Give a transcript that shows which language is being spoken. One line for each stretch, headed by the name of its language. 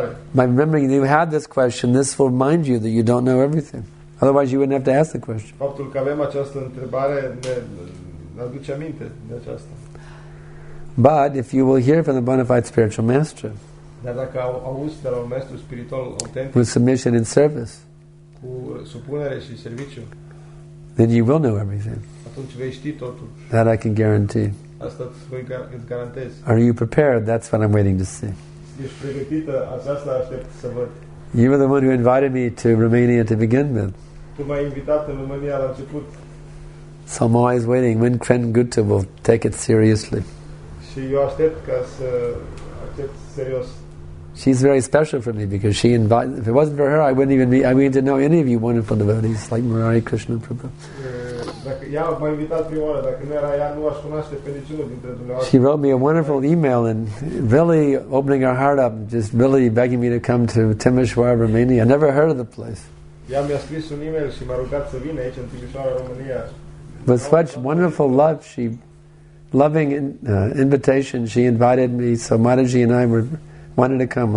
English: By remembering that you had this question, this will remind you that you don't know everything. Otherwise, you wouldn't have to ask the question.
Romanian: Faptul că avem această întrebare ne aduce aminte de aceasta.
English: But if you will hear from the bona fide spiritual master,
Romanian: dar dacă auzi de la un maestru spiritual autentic,
English: with submission and service,
Romanian: cu supunere și serviciu,
English: then you will know everything.
Romanian: Atunci vei ști totul.
English: That I can guarantee.
Romanian: Asta îți garantez.
English: Are you prepared? That's what I'm waiting to see.
Romanian: Ești pregătită? Aceasta aștept să văd.
English: You were the one who invited me to Romania to begin with.
Romanian: Tu m-ai invitat în România la început.
English: So I'm always waiting when Kren Gutta will take it seriously.
Romanian: Și eu aștept ca să accept serios.
English: She's very special for me because she invited. If it wasn't for her, I wouldn't even be. I mean, to know any of you wonderful devotees like Murari Krishna Prabhu.
Romanian: Dacă ea m-a invitat prima oară, dacă nu era ea, nu aș cunoaște pe niciunul dintre dumneavoastră.
English: She wrote me a wonderful email and really opening her heart up, just really begging me to come to Timișoara, Romania. I never heard of the place.
Romanian: Ea mi-a scris un email și m-a rugat să vin aici, în Timișoara, România.
English: With such wonderful love, she loving invitation, she invited me, so Mataji and I wanted to come.